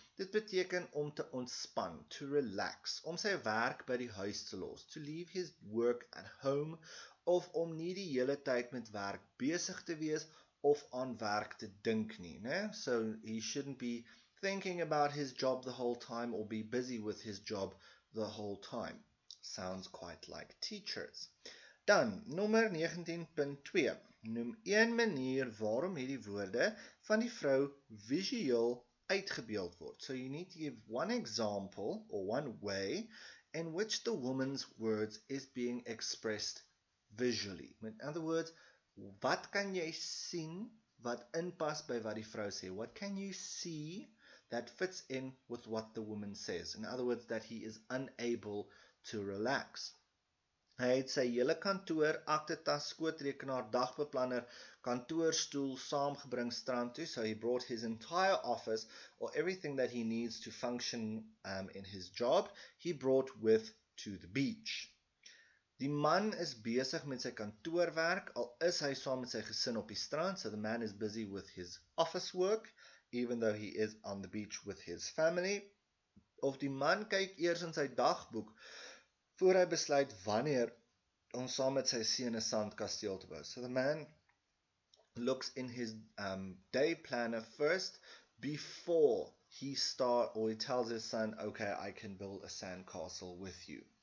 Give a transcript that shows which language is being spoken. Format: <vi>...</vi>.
<af>Dit beteken om te ontspan,</af> <en>to relax,</en> <af>om sy werk by die huis te los,</af> <en>to leave his work at home,</en> <af>of om nie die hele tyd met werk besig te wees of aan werk te dink nie, né?</af> <en>So he shouldn't be thinking about his job the whole time or be busy with his job the whole time. Sounds quite like teachers.</en> <af>Dan, nummer 19.2. Noem een manier waarom hierdie woorde van die vrou visueel uitgebeeld word.</af> <en>So you need to give one example or one way in which the woman's words is being expressed visually. In other words,</en> <af>wat kan jy sien wat inpas by wat die vrou sê?</af> <en>What can you see that fits in with what the woman says? In other words, that he is unable to relax.</en> <af>Hy het sy hele kantoor, aktetas, skootrekenaar, dagbeplanner, kantoorstoel saamgebring strand toe.</af> <en>So he brought his entire office or everything that he needs to function in his job, he brought with to the beach.</en> <af>Die man is besig met sy kantoorwerk, al is hy saam met sy gesin op die strand.</af> <en>So the man is busy with his office work, even though he is on the beach with his family.</en> <af>Of die man kyk eers in sy dagboek, voor hy besluit wanneer om saam met sy seun 'n sandkasteel te bou.</af> <en>So the man looks in his day planner first, before he start, or he tells his son, okay, I can build a sandcastle with you.</en>